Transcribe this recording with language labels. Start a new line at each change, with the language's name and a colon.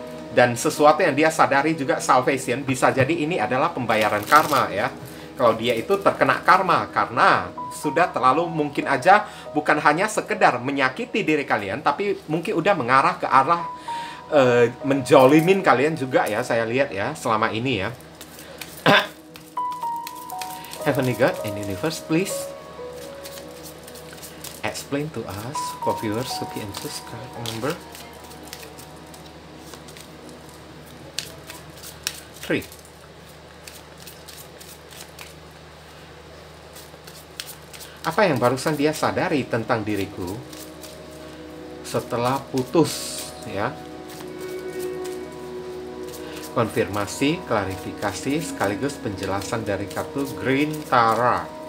Indonesian: Dan sesuatu yang dia sadari juga salvation, bisa jadi ini adalah pembayaran karma ya. Kalau dia itu terkena karma karena sudah terlalu, mungkin aja bukan hanya sekedar menyakiti diri kalian, tapi mungkin udah mengarah ke arah menjolimin kalian juga ya, saya lihat ya selama ini ya.
English: Heavenly God and Universe, please explain to us for viewers, Suki and subscribe number 3.
Indonesian: Apa yang barusan dia sadari tentang diriku setelah putus ya? Konfirmasi, klarifikasi, sekaligus penjelasan dari kartu Green Tara.